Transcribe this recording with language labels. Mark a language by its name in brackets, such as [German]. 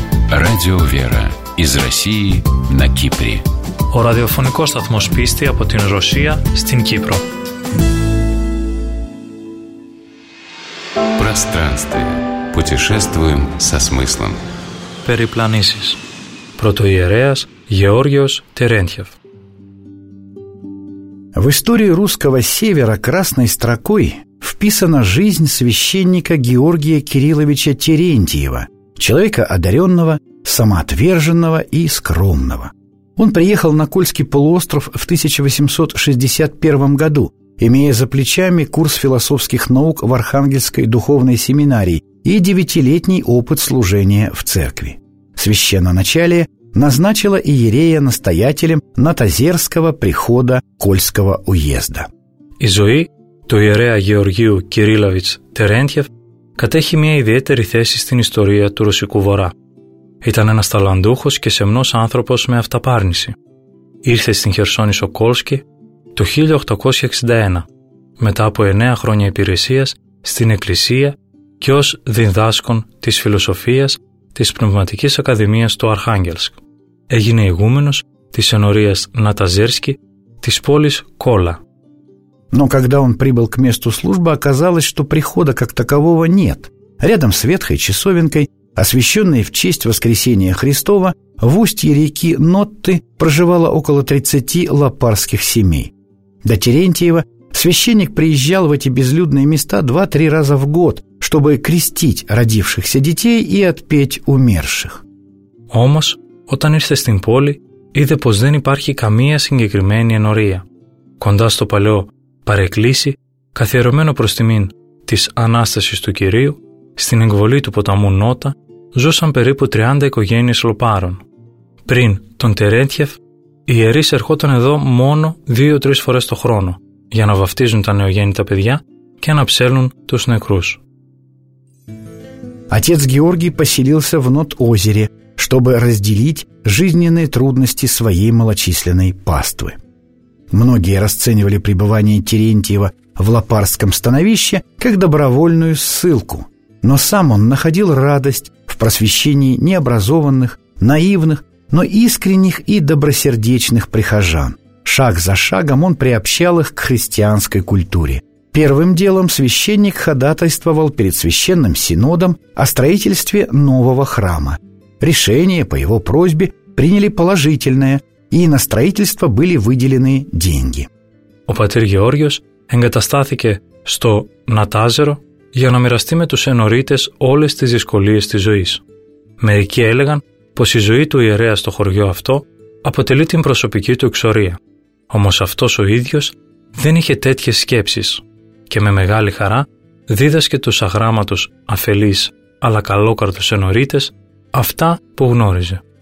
[Russian] Радио Вера из России на Кипре. [Greek] Ο ραδιοφωνικός σταθμός πίστη από την Ρωσία στην Κύπρο. [Russian] Пространство. Путешествуем со смыслом. [Greek] Περιπλανήσεις. Πρωτοιερέας Георгиос Терентьев. [Russian] В истории русского севера красной строкой вписана жизнь священника Георгия Кирилловича Терентьева, человека одаренного, самоотверженного и скромного. Он приехал на Кольский полуостров в 1861 году, имея за плечами курс философских наук в Архангельской духовной семинарии и 9-летний опыт служения в церкви. Священноначалие назначила иерея настоятелем Натозерского прихода Кольского уезда. [Greek] Η ζωή του ιερέα Γεωργίου Κυρίλαβιτς Τερέντιεφ κατέχει μια ιδιαίτερη θέση στην ιστορία του Ρωσικού Βορρά. Ήταν ένας ταλαντούχος και σεμνός άνθρωπος με αυταπάρνηση. Ήρθε στην Χερσόνησο Κόλσκι το 1861, μετά από 9 χρόνια υπηρεσίας στην Εκκλησία και ως διδάσκον της φιλοσοφίας της Πνευματικής Ακαδημίας του Αρχάγγελσκ. Έγινε ηγούμενος της ενορίας Ναταζέρσκι της πόλης Κόλα. [Russian] Но когда он прибыл к месту службы, оказалось, что прихода как такового нет. Рядом с ветхой часовенкой, освященной в честь воскресения Христова, в устье реки Нотты проживало около 30 лапарских семей. До Терентьева священник приезжал в эти безлюдные места 2-3 раза в год, чтобы крестить родившихся детей и отпеть умерших. [Greek] Όμως, όταν ήρθε στην πόλη, είδε πως δεν υπάρχει καμία συγκεκριμένη ενορία. Κοντά στο παλαιό παρεκκλήσι, καθιερωμένο προς τιμήν της Ανάστασης του Κυρίου, στην εκβολή του ποταμού Νότα, ζούσαν περίπου 30 οικογένειες λοπάρων. Πριν τον Τερέντιεφ, οι ιερείς ερχόταν εδώ μόνο 2-3 φορές το χρόνο, για να βαφτίζουν τα νεογέννητα παιδιά και να ψέλνουν τους νεκρούς. [Russian] Отец Георгий поселился в Нот-Озере, чтобы разделить жизненные трудности своей малочисленной паствы. Многие расценивали пребывание Терентьева в лапарском становище как добровольную ссылку, но сам он находил радость в просвещении необразованных, наивных, но искренних и добросердечных прихожан. Шаг за шагом он приобщал их к христианской культуре. Первым делом священник ходатайствовал перед Священным Синодом о строительстве нового храма. Решение по его просьбе приняли положительное, и на строительство были выделены деньги. [Greek] Ο πατήρ Γεώργιος εγκαταστάθηκε στο Νατάζερο για να μοιραστεί με τους ενορίτες όλες τις δυσκολίες της ζωής. Μερικοί έλεγαν πως η ζωή του ιερέα στο χωριό αυτό αποτελεί την προσωπική του εξορία. Όμως αυτός ο ίδιος δεν είχε τέτοιες σκέψεις και με μεγάλη χαρά δίδασκε τους αγράμματους αφελείς αλλά καλόκαρδους ενορίτες αυτά που γνώριζε.